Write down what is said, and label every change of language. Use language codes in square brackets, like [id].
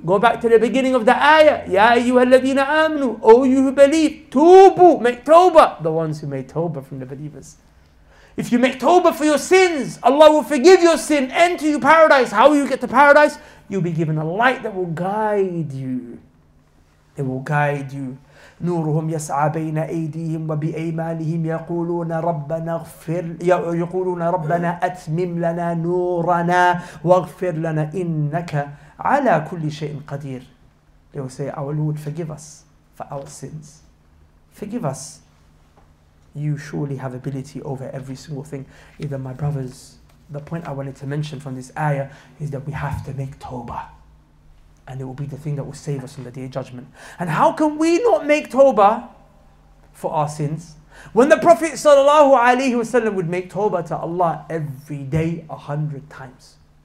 [en] Go back to the beginning of the ayah. [ar] Ya ayyuha alladhina amanu, [en] O you who believe, tubu, make tawbah. The ones who made tawbah from the believers. If you make tawbah for your sins, Allah will forgive your sin, enter you paradise. How will you get to paradise? You'll be given a light that will guide you. It will guide you. [ar] نورهم يسعى بين أيديهم وبأيمانهم يقولون ربنا اغفر يقولون ربنا أتمم لنا نورنا واغفر لنا إنك على كل شيء قدير. [en] They will say, our Lord, forgive us for our sins. Forgive us. You surely have ability over every single thing. Either my brothers, The point I wanted to mention from this ayah is that we have to make tawbah. And it will be the thing that will save us on the Day of Judgment. And how can we not make tawbah for our sins when the Prophet sallallahu alaihi wasallam would make tawbah to Allah every day 100 times?